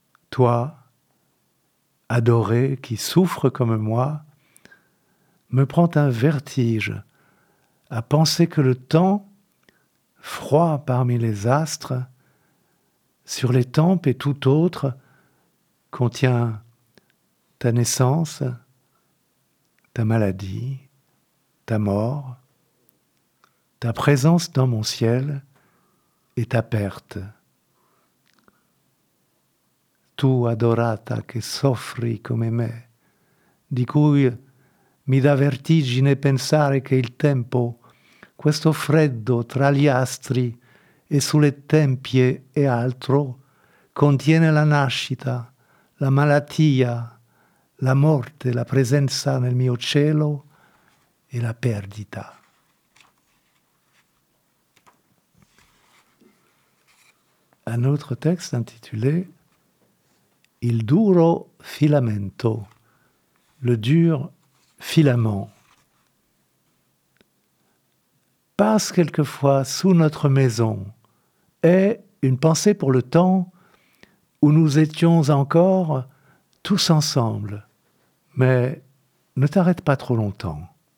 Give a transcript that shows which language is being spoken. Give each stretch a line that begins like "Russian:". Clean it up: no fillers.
French: Toi, adoré, qui souffre comme moi, me prend un vertige à penser que le temps, froid parmi les astres, sur les tempes et tout autre, contient ta naissance, ta maladie, ta mort, ta présence dans mon ciel et ta perte.
Italian: Tu adorata che soffri come me, di cui mi dà vertigine pensare che il tempo, questo freddo tra gli astri e sulle tempie e altro, contiene la nascita, la malattia, la morte, la presenza nel mio cielo e la perdita. Un altro testo intitolato Il duro filamento, le dur filament.
French: Passe quelquefois sous notre maison, et une pensée pour le temps où nous étions encore tous ensemble, mais ne t'arrête pas trop longtemps.